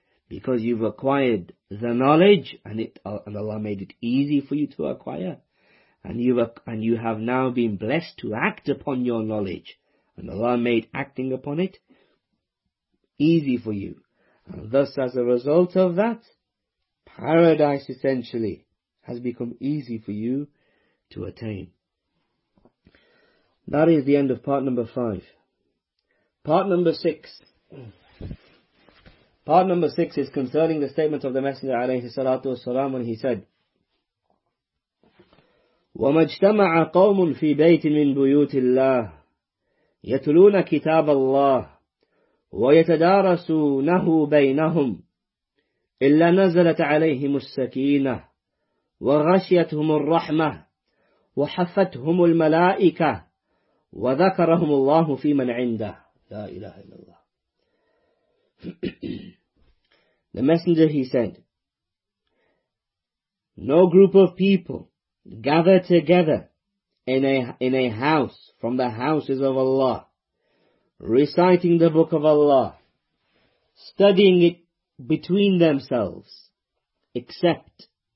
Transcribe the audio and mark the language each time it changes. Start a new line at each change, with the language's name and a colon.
English: Because you've acquired the knowledge, and Allah made it easy for you to acquire, and you have now been blessed to act upon your knowledge, and Allah made acting upon it easy for you. And thus, as a result of that, paradise essentially has become easy for you to attain. That is the end of part number 5. Part number 6. Part number 6 is concerning the statement of the Messenger alayhi salatu wasalam when he said,
Arabic: وَمَجْتَمَعَ قَوْمٌ فِي بَيْتٍ مِّن بُيُوتِ اللَّهِ يَتْلُونَ كِتَابَ اللَّهِ وَيَتَدَارَسُونَهُ بَيْنَهُمْ إِلَّا نَزَلَتْ عَلَيْهِمُ السَّكِينَةِ وَغَشِيَتْهُمُ الرَّحْمَةِ وَحَفَّتْهُمُ الْمَلَائِكَةِ وَذَكَرَهُمُ اللَّهُ فِي مَنْ عِنْدَهِ لا إله إلا الله.
English: The Messenger, he said, no group of people gather together in a house from the houses of Allah, reciting the book of Allah, studying it between themselves, except